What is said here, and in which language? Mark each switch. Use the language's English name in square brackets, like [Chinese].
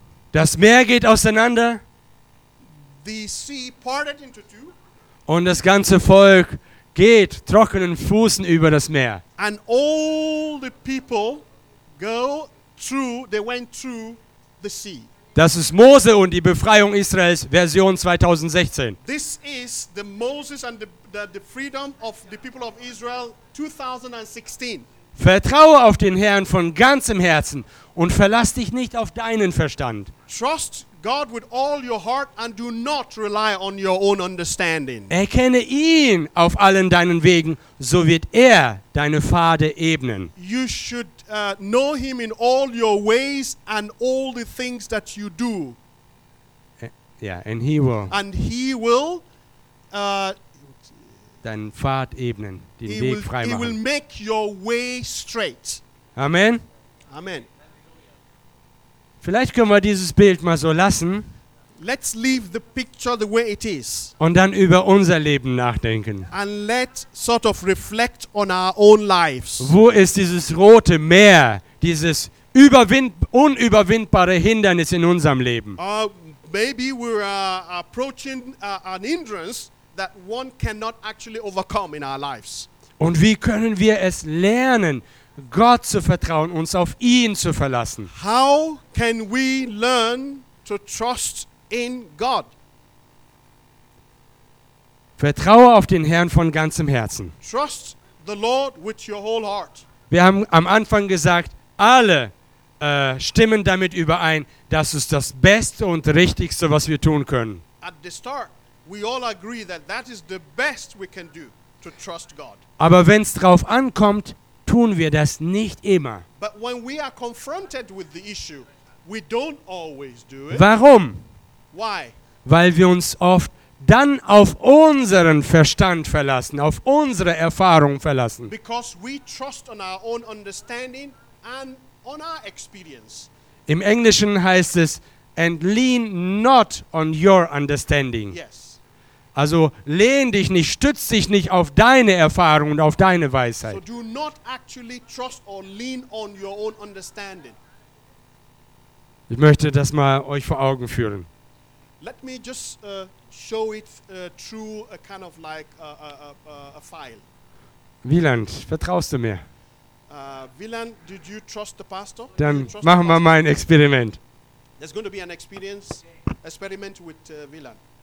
[German] Das Meer geht auseinander. [English] The sea parted into two. [German] Und das ganze Volk geht trockenen Fußen über das Meer. [English] And all the people go through, they went through the sea. [German] Das ist Mose und die Befreiung Israels, Version 2016. [English] This is the Moses and the freedom of the people of Israel 2016. [German] Vertraue auf den Herrn von ganzem Herzen und verlass dich nicht auf deinen Verstand. [English] Trust God with all your heart and do not rely on your own understanding. [German] Erkenne ihn auf allen deinen Wegen, so wird er deine Pfade ebnen. [English] You should know him in all your ways and all the things that you do. And he will. And he will [German] deinen Pfad ebnen, den Weg freimachen. [English] He will make your way straight. [German] Amen. [English] Amen. [German] Vielleicht können wir dieses Bild mal so lassen. [English] Let's leave the picture the way it is. [German] Und dann über unser Leben nachdenken. [English] And let sort of reflect on our own lives. [German] Wo ist dieses rote Meer, dieses unüberwindbare Hindernis in unserem Leben? [English] Maybe we're approaching an hindrance that one cannot actually overcome in our lives. [German] Und wie können wir es lernen, Gott zu vertrauen, uns auf ihn zu verlassen? [English] How can we learn to trust in God? [German] Vertraue auf den Herrn von ganzem Herzen. [English] Trust the Lord with your whole heart. [German] Wir haben am Anfang gesagt, alle stimmen damit überein, dass es das Beste und Richtigste, was wir tun können. [English] At the start, we all agree that that is the best we can do to trust God. [German] Aber wenn es drauf ankommt, tun wir das nicht immer. [English] But when we are confronted with the issue, we don't always do it. [German] Warum? [English] Why? [German] Weil wir uns oft dann auf unseren Verstand verlassen, auf unsere Erfahrung verlassen. [English] Because we trust on our own understanding and on our experience. [German] Im Englischen heißt es, [English] and lean not on your understanding. Yes. [German] Also lehn dich nicht, stütz dich nicht auf deine Erfahrung und auf deine Weisheit. [English] So do not actually trust or lean on your own understanding. [German] Ich möchte das mal euch vor Augen führen. [English] Let me just show it through a kind of like a file. [German] Wieland, vertraust du mir? [English] Wieland, did you trust the pastor? [German] Dann machen wir mal ein Experiment. [English] There's going to be an experiment with Wieland.